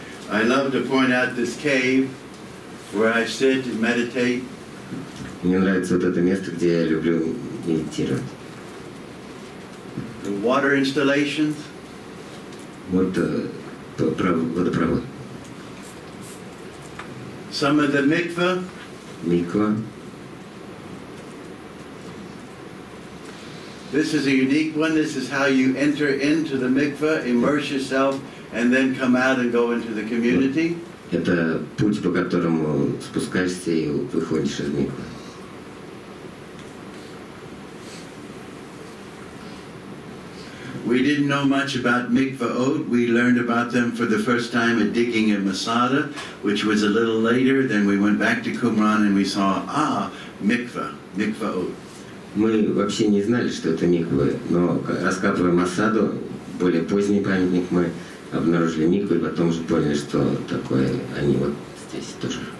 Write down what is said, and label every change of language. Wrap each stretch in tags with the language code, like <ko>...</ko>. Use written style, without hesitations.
<en>I love to point out this cave where I sit and meditate.</en> <ru>Мне нравится вот это место, где я люблю медитировать.</ru> <en>The water installations.</en> <ru>Вот водопровод.</ru> <en>Some of the mikveh.</en> <ru>Миква.</ru> <en>This is a unique one. This is how you enter into the mikveh, immerse yourself, and then come out and go into the community.</en> <ru>Это путь, по которому спускаешься и выходишь из микве.</ru> <en>We didn't know much about mikvaot. We learned about them for the first time at digging in Masada, which was a little later. Then we went back to Qumran and we saw, mikvaot.</en> <ru>Мы вообще не знали, что это микве, но раскапывая Масаду, более поздний памятник мы обнаружили микву и потом же поняли, что такое они вот здесь тоже.</ru>